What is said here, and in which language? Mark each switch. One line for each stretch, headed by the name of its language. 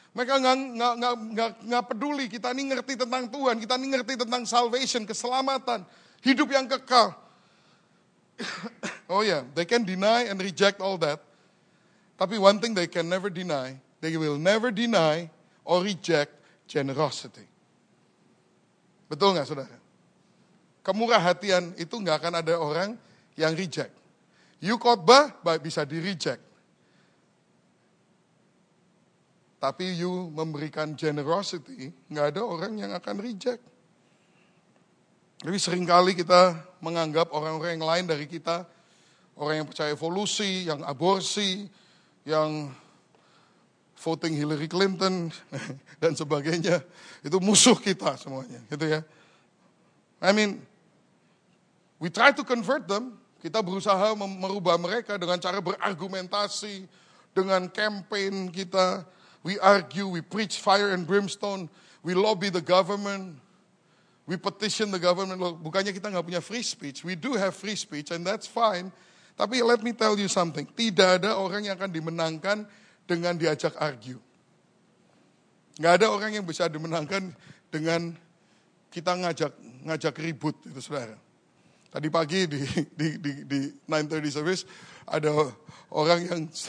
Indonesian: Mereka nggak peduli kita ini ngerti tentang Tuhan, kita ini ngerti tentang salvation, keselamatan, hidup yang kekal.
English: Oh yeah, they can deny and reject all that. Tapi one thing they can never deny, they will never deny or reject generosity.
Indonesian: Betul nggak, saudara? Kemurah hatian itu nggak akan ada orang yang reject. You khotbah bisa di reject. Tapi you memberikan generosity, gak ada orang yang akan reject. Tapi seringkali kita menganggap orang-orang yang lain dari kita, orang yang percaya evolusi, yang aborsi, yang voting Hillary Clinton, dan sebagainya, itu musuh kita semuanya. Gitu ya.
English: I mean, we try to convert them,
Indonesian: kita berusaha merubah mereka dengan cara berargumentasi, dengan campaign kita.
English: We argue, we preach fire and brimstone, we lobby the government, we petition the government.
Indonesian: Bukannya kita gak punya
English: free speech, we do have free speech and that's fine.
Indonesian: Tapi
English: let me tell you something,
Indonesian: tidak ada orang yang akan dimenangkan dengan diajak argue. Gak ada orang yang bisa dimenangkan dengan kita ngajak ribut, itu saudara. Tadi pagi di 9:30 service, ada orang yang